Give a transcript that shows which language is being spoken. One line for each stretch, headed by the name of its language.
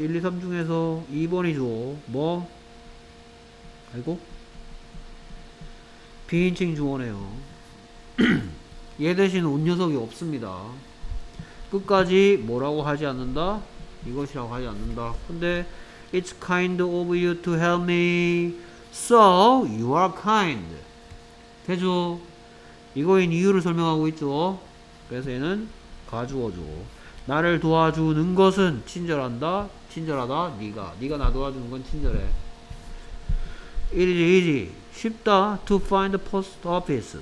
Korean: 1, 2, 3 중에서 2번이죠. 뭐? 아이고? 비인칭 주어네요. 얘 대신 온 녀석이 없습니다. 끝까지 뭐라고 하지 않는다? 이것이라고 하지 않는다. 근데
English: It's kind of you to help me. So, you are kind.
Korean: 되죠? 이거인 이유를 설명하고 있죠? 그래서 얘는 가주어죠. 나를 도와주는 것은 친절한다. 친절하다. 네가. 네가 나 도와주는 건 친절해.
English: It is easy.
Korean: 쉽다.
English: To find the post office.